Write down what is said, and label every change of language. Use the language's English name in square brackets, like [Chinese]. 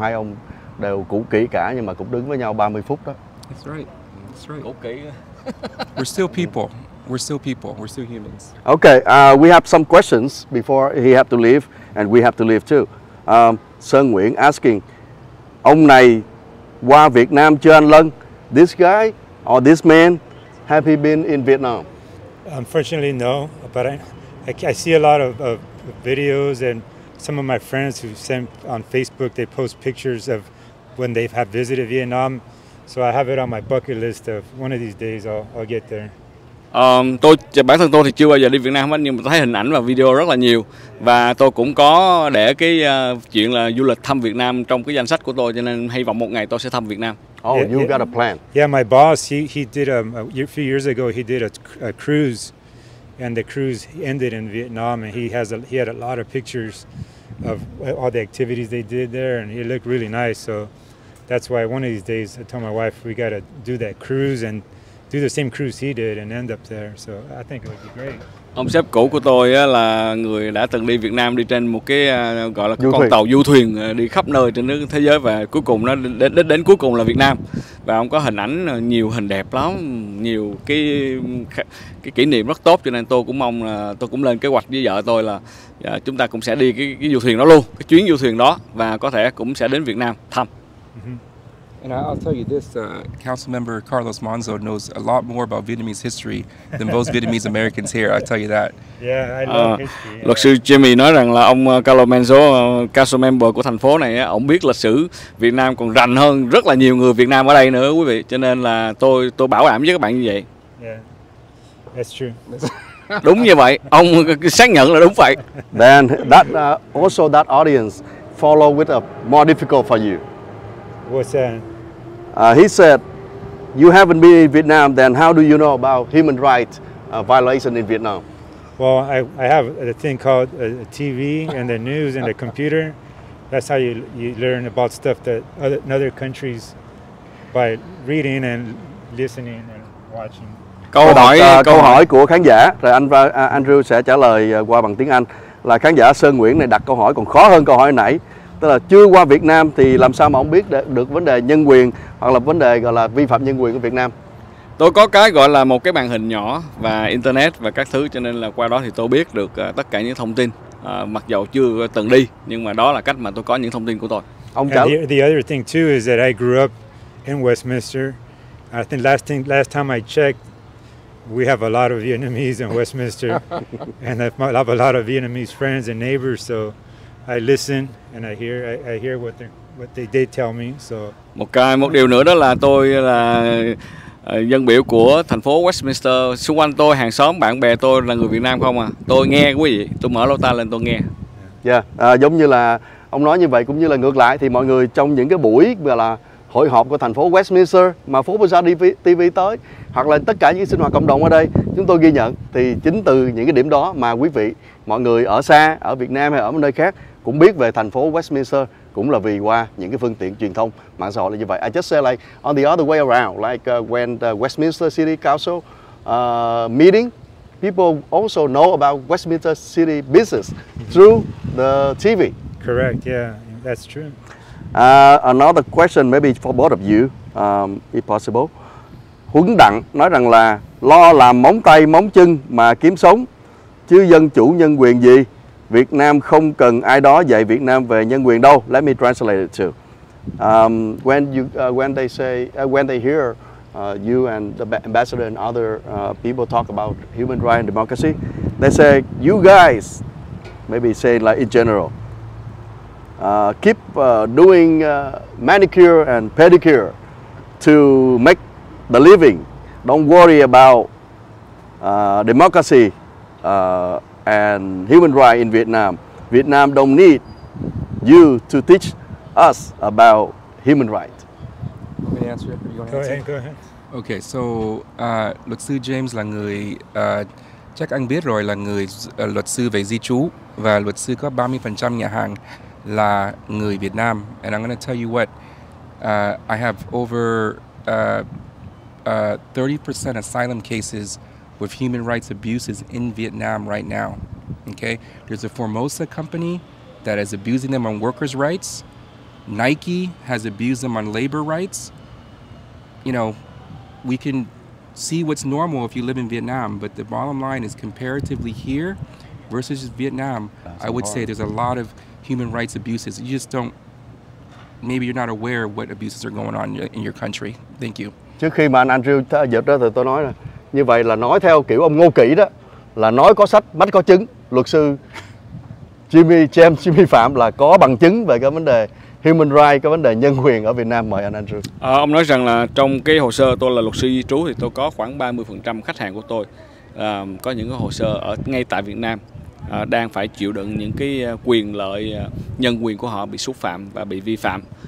[Vietnamese] Hai ông đều cũ kỹ cả nhưng mà cũng đứng với nhau 30 phút đó. [English] That's right. [Vietnamese] Cũ kỹ. [English] We're still people. We're still humans. Okay, we have some questions before he have to leave and we have to leave too. [Vietnamese] Sơn Nguyễn asking, ông này qua Việt Nam chưa anh Lân? [English] This guy or this man, have he been in Vietnam? Unfortunately, no. But I see a lot of videos and some of my friends who sent on Facebook, they post pictures of when they have visited Vietnam. So I have it on my bucket list of one of these days I'll get there. [Vietnamese] Bản thân tôi thì chưa bao giờ đi Việt Nam hết, nhưng mà thấy hình ảnh và video rất là nhiều. Và tôi cũng có để cái chuyện là du lịch thăm Việt Nam trong cái danh sách của tôi, cho nên hy vọng một ngày tôi sẽ thăm Việt Nam. [English] Oh, yeah, you got a plan. Yeah, my boss, he did a few years ago, he did a cruise, and the cruise ended in Vietnam, and he had a lot of pictures of all the activities they did there, and it looked really nice. So that's why one of these days I told my wife we got to do that cruise and do the same cruise he did and end up there. So I think it would be great. [Vietnamese] Ông sếp cũ của tôi á, là người đã từng đi Việt Nam, đi trên một cái gọi là con tàu du thuyền đi khắp nơi trên nước thế giới, và cuối cùng nó đến cuối cùng là Việt Nam. Và ông có hình ảnh nhiều, hình đẹp lắm, nhiều cái kỷ niệm rất tốt, cho nên tôi cũng mong là tôi cũng lên kế hoạch với vợ tôi là chúng ta cũng sẽ đi cái du thuyền đó luôn, cái chuyến du thuyền đó, và có thể cũng sẽ đến Việt Nam thăm. [English] And I'll tell you this, Councilmember Carlos Manzo knows a lot more about Vietnamese history than most Vietnamese Americans here, I'll tell you that. Yeah, I love history. Yeah. [Vietnamese] Luật sư Jimmy nói rằng là ông Carlos Manzo, Councilmember của thành phố này, ông biết lịch sử Việt Nam còn rành hơn rất là nhiều người Việt Nam ở đây nữa, quý vị. Cho nên là tôi bảo đảm với các bạn như vậy. [English] Yeah, that's true. [Vietnamese] Đúng như vậy, ông xác nhận là đúng vậy. [English] Then, that, also that audience follow with a more difficult for you. What's that? He said, you haven't been in Vietnam, then how do you know about human rights violation in Vietnam? Well, I have a thing called a TV and the news and the computer. That's how you learn about stuff that other countries, by reading and listening and watching. [Vietnamese] Câu hỏi của khán giả, rồi anh Andrew sẽ trả lời qua bằng tiếng Anh. Là khán giả Sơn Nguyễn này đặt câu hỏi còn khó hơn câu hỏi nãy. Tức là chưa qua Việt Nam thì làm sao mà ông biết được vấn đề nhân quyền hoặc là vấn đề gọi là vi phạm nhân quyền của Việt Nam? Tôi có cái gọi là một cái màn hình nhỏ và internet và các thứ, cho nên là qua đó thì tôi biết được tất cả những thông tin. Mặc dầu chưa từng đi, nhưng mà đó là cách mà tôi có những thông tin của tôi. Ông trả lời. [English] The other thing too is that I grew up in Westminster. I think last time I checked, we have a lot of Vietnamese in Westminster and I have a lot of Vietnamese friends and neighbors, so I listen and I hear what they're what they did tell me. So [Vietnamese] một điều nữa đó là tôi là dân biểu của thành phố Westminster. Xung quanh tôi, hàng xóm, bạn bè tôi là người Việt Nam không à? Tôi nghe quý vị, tôi mở lô ta lên tôi nghe. Giống như là ông nói như vậy, cũng như là ngược lại thì mọi người trong những cái buổi gọi là hội họp của thành phố Westminster mà phố Bazaar TV tới, hoặc là tất cả những sinh hoạt cộng đồng ở đây chúng tôi ghi nhận, thì chính từ những cái điểm đó mà quý vị, mọi người ở xa, ở Việt Nam hay ở một nơi khác cũng biết về thành phố Westminster, cũng là vì qua những cái phương tiện truyền thông mạng xã hội là như vậy. [English] I just say like on the other way around, like when the Westminster City Council meeting, people also know about Westminster City business through the TV. Correct, yeah, that's true. Another question maybe for both of you, if possible. [Vietnamese] Huấn Đặng nói rằng là lo làm móng tay móng chân mà kiếm sống, chứ dân chủ nhân quyền gì? Việt Nam không cần ai đó dạy Việt Nam về nhân quyền đâu. [English] Let me translate it to. When they hear you and the ambassador and other people talk about human rights and democracy, they say you guys, maybe say like in general, keep doing manicure and pedicure to make the living. Don't worry about democracy and human rights in Vietnam. Vietnam don't need you to teach us about human rights. Let me answer it. You want to go answer? Ahead, go ahead. [Vietnamese] Okay, so luật sư James là người, chắc anh biết rồi, là người luật sư về di trú, và luật sư có 30% nhà hàng là người Việt Nam. [English] And I'm going to tell you what, I have over 30% asylum cases with human rights abuses in Vietnam right now. Okay, there's a Formosa company that is abusing them on workers' rights. Nike has abused them on labor rights. You know, we can see what's normal if you live in Vietnam, but the bottom line is comparatively here versus Vietnam, I would say there's a lot of human rights abuses. You just don't, maybe you're not aware of what abuses are going on in your country. Thank you. [Vietnamese] Trước khi mà anh Andrew dịch đó thì tôi nói là như vậy là nói theo kiểu ông Ngô Kỷ đó, là nói có sách mách có chứng. Luật sư Jimmy James, Jimmy Phạm là có bằng chứng về cái vấn đề human rights, cái vấn đề nhân quyền ở Việt Nam. Mời anh Andrew. Ông nói rằng là trong cái hồ sơ, tôi là luật sư di trú thì tôi có khoảng 30% khách hàng của tôi có những cái hồ sơ ở ngay tại Việt Nam, đang phải chịu đựng những cái quyền lợi nhân quyền của họ bị xúc phạm và bị vi phạm.